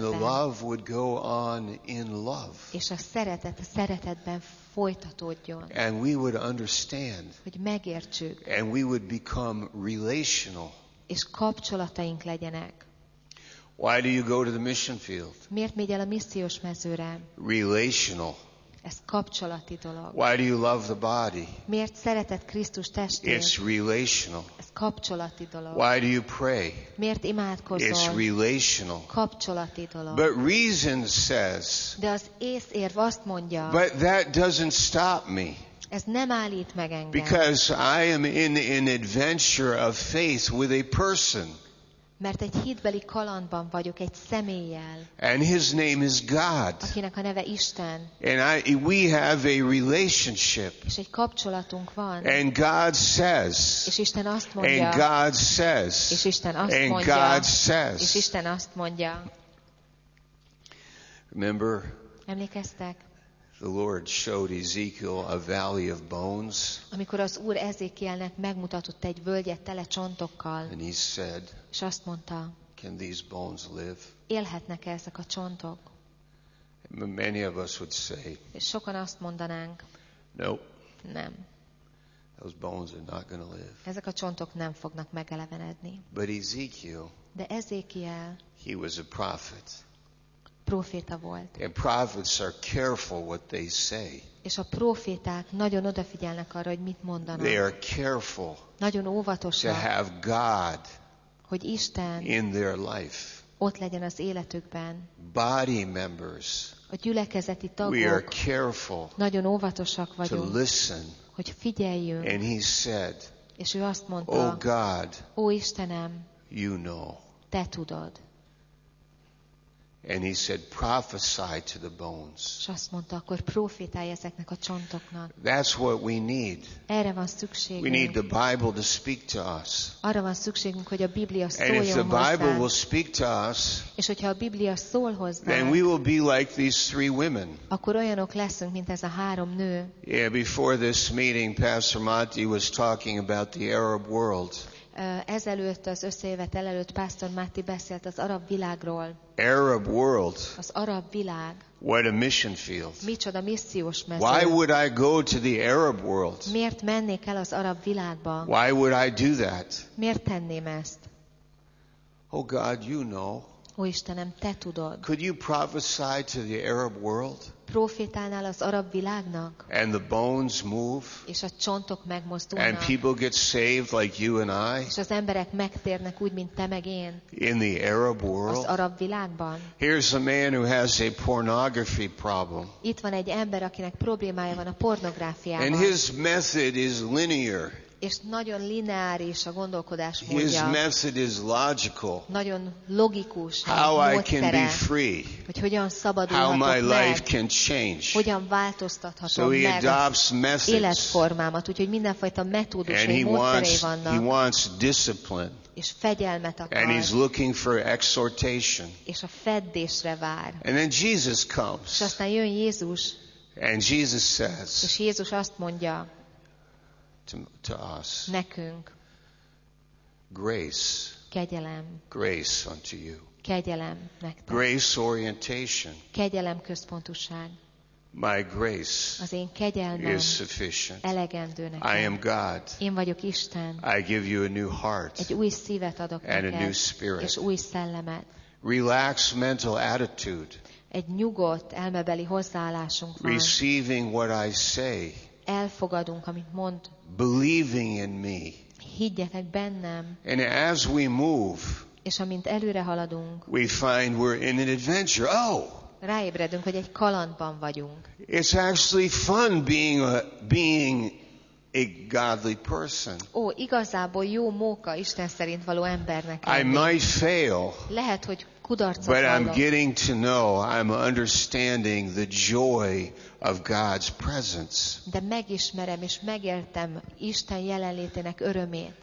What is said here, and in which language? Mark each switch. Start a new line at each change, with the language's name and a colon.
English: and the love would go on in love,
Hungarian: és a szeretet a szeretetben folytatódjon,
English: and we would understand,
Hungarian: hogy megértsük,
English: and we would become relational,
Hungarian: és kapcsolataink legyenek.
English: Why do you go to the mission field?
Hungarian: Miért megy el a missziós mezőre?
English: Relational.
Hungarian: Ez kapcsolati dolog.
English: Why do you love the body?
Hungarian: Miért szereted Krisztus testét?
English: It's relational.
Hungarian: Ez kapcsolati dolog.
English: Why do you pray?
Hungarian: Miért imádkozol?
English: It's relational.
Hungarian: Kapcsolati dolog.
English: But reason says.
Hungarian: De az észérv azt mondja.
English: But that doesn't stop me.
Hungarian: Ez nem állít meg engem.
English: Because I am in an adventure of faith with a person.
Hungarian: Mert egy hitbeli kalandban vagyok egy személlyel.
English: And his name is God.
Hungarian: Akinek a neve Isten.
English: And we have a relationship.
Hungarian: És egy kapcsolatunk van.
English: And God says.
Hungarian: És Isten azt mondja.
English: And God says.
Hungarian: És Isten azt
English: and
Hungarian: mondja.
English: And God says.
Hungarian: És Isten azt mondja.
English: Remember?
Hungarian: Emlékeztek?
English: The Lord showed Ezekiel a valley of bones.
Hungarian: Amikor az Úr Ezékielnek megmutatott egy völgyet tele csontokkal.
English: And he said,
Hungarian: és azt mondta,
English: can these bones live?
Hungarian: Élhetnek-e ezek a csontok?
English: Many of us would say,
Hungarian: és sokan azt mondanánk,
English: nope.
Hungarian: Nem.
English: Those bones are not going to live.
Hungarian: Ezek a csontok nem fognak megelevenedni.
English: But Ezekiel,
Hungarian: de Ezékiel,
English: he was a prophet.
Hungarian: Proféta volt.
English: And prophets are careful what they say.
Hungarian: És a proféták nagyon odafigyelnek arra, hogy mit mondanak.
English: They are careful.
Hungarian: Nagyon óvatosak.
English: To have God.
Hungarian: Hogy Isten.
English: In their life.
Hungarian: Ott legyen az életükben.
English: Body members.
Hungarian: A gyülekezeti tagok.
English: We are careful.
Hungarian: Nagyon óvatosak vagyunk.
English: To listen.
Hungarian: Hogy figyeljünk.
English: And he said.
Hungarian: És ő azt mondta.
English: Oh God.
Hungarian: Ó Istenem.
English: You know.
Hungarian: Te tudod.
English: And he said, prophesy to the bones.
Hungarian: És azt mondta, akkor profétálj ezeknek a csontoknak.
English: That's what we need.
Hungarian: Erre van szükségünk.
English: We need the Bible to speak to us.
Hungarian: Arra van szükségünk, hogy a Biblia szóljon hozzánk.
English: And if the Bible will speak to us,
Hungarian: és hogyha a Biblia szól hozzánk,
English: then we will be like these three women.
Hungarian: Akkor olyanok leszünk, mint ez a három nő.
English: Yeah, before this meeting, Pastor Monty was talking about the Arab world.
Hungarian: Ezelőtt az összejövetel előtt Pásztor Máté beszélt az arab világról.
English: Arab world.
Hungarian: Az arab világ.
English: What a mission field.
Hungarian: Micsoda missziós mező.
English: Why would I go to the Arab world?
Hungarian: Miért mennék el az arab világba?
English: Why would I do that?
Hungarian: Miért tenném ezt?
English: Oh God, you know.
Hungarian: Ó Istenem, te tudod.
English: Could you prophesy to the Arab world?
Hungarian: Profétálnál az arab világnak?
English: And the bones move.
Hungarian: És a csontok megmozdulnak.
English: And people get saved like you and I.
Hungarian: És az emberek megtérnek úgy, mint te meg én.
English: In the Arab world.
Hungarian: Az arab világban.
English: Here's a man who has a pornography problem.
Hungarian: Itt van egy ember, akinek problémája van a pornográfiával.
English: And his method is linear.
Hungarian: És nagyon lineáris a gondolkodás módja.
English: His method is logical.
Hungarian: Nagyon logikus.
English: How I can be free.
Hungarian: Hogy hogyan szabadulhatok meg.
English: How my life can change.
Hungarian: Hogyan változtathatom
English: so
Hungarian: meg.
English: He adopts methods.
Hungarian: Életformámat, úgyhogy mindenfajta metódus
English: and
Hungarian: és módszerei vannak.
English: He wants discipline.
Hungarian: És fegyelmet akar.
English: And he's looking for exhortation.
Hungarian: És a feddésre vár.
English: And then Jesus comes.
Hungarian: És aztán jön Jézus.
English: And Jesus says.
Hungarian: És Jézus azt mondja.
English: To us.
Hungarian: Nekünk.
English: Grace.
Hungarian: Kegyelem.
English: Grace unto you.
Hungarian: Kegyelem nektek.
English: Grace orientation.
Hungarian: Kegyelem központuság.
English: My grace.
Hungarian: Az én kegyelmem.
English: Is sufficient.
Hungarian: Elegendő nekem.
English: I am God.
Hungarian: Én vagyok Isten.
English: I give you a new heart.
Hungarian: Egy új szívet adok neked.
English: And a new spirit.
Hungarian: És új szellemet.
English: Relax mental attitude.
Hungarian: Egy nyugodt elmebeli hozzáállásunk van.
English: Receiving what I say.
Hungarian: Elfogadunk, amit mond.
English: Believing in me.
Hungarian: Higgyetek bennem.
English: And as we move.
Hungarian: És amint előre haladunk.
English: We find we're in an adventure. Oh!
Hungarian: Ráébredünk, hogy egy kalandban vagyunk.
English: It's actually fun being a godly person.
Hungarian: Ó, igazából jó móka Isten szerint való embernek.
English: I might fail.
Hungarian: Lehet, hogy kudarcot hallok.
English: But I'm getting to know, I'm understanding the joy of God's presence.
Hungarian: De megismerem és megértem Isten jelenlétének örömét.